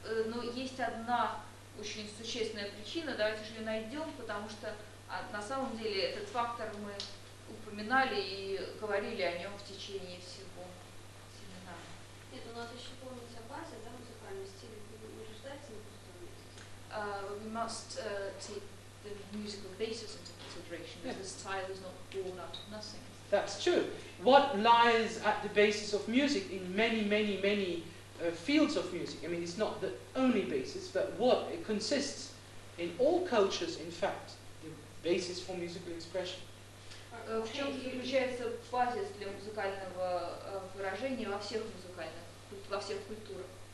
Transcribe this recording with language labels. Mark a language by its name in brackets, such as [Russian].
[Russian] Но есть одна очень существенная причина, давайте же ее найдем, потому что на самом деле этот фактор мы упоминали и говорили о нем в течение всего семинара. Нет, у нас еще помнится база, да, музыкальный стиль, вы же ждаете на пустом месте? [English] We must take the musical basis into consideration, yeah. This style is not born out of nothing. That's true. What lies at the basis of music in many, many, many fields of music? I mean, it's not the only basis, but what it consists in all cultures, in fact, the basis for musical expression. [Russian] В чем заключается базис для музыкального выражения во всех музыкальных, во всех культурах?